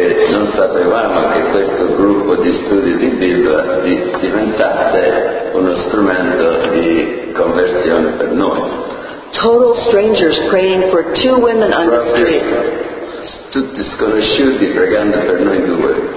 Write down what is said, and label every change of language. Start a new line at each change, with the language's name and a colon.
Italian: Non sapevamo che questo gruppo di studi di Bibbia diventasse uno strumento di conversione per noi.
English: Total strangers praying for two women on the street.
Italian: Tutti sconosciuti pregando per noi due.